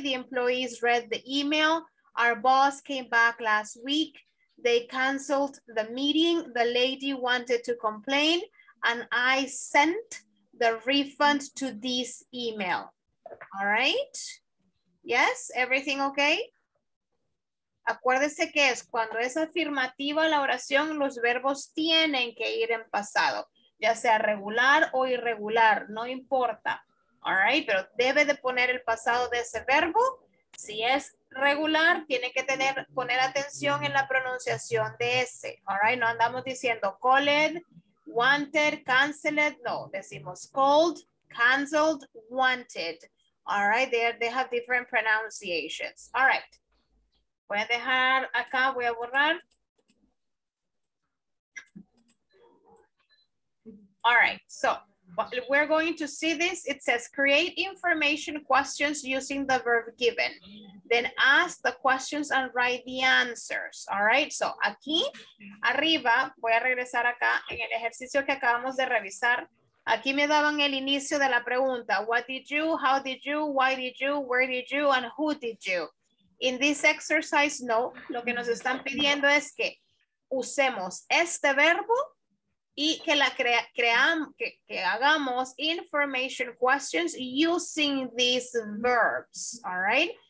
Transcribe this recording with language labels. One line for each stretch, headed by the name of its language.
English: The employees read the email. Our boss came back last week. They canceled the meeting. The lady wanted to complain. And I sent the refund to this email. All right? Yes? Everything okay?
Spanish: Acuérdese que es cuando es afirmativa la oración, los verbos tienen que ir en pasado. Ya sea regular o irregular, no importa. All right? Pero debe de poner el pasado de ese verbo. Si es regular, tiene que tener, poner atención en la pronunciación de ese. All right? No andamos diciendo called, wanted, canceled. No, decimos called, canceled, wanted.
English: All right, they have different pronunciations.
Spanish: All right, voy a dejar acá, voy a borrar.
English: All right, so we're going to see this. It says create information questions using the verb given. Then ask the questions and write the answers.
Spanish: All right, so aquí arriba, voy a regresar acá en el ejercicio que acabamos de revisar. Aquí me daban el inicio de la pregunta.
English: What did you, how did you, why did you, where did you, and who did you? In this exercise,
Spanish: no. Lo que nos están pidiendo es que usemos este verbo y que la que hagamos
English: information questions using these verbs.
Spanish: All right?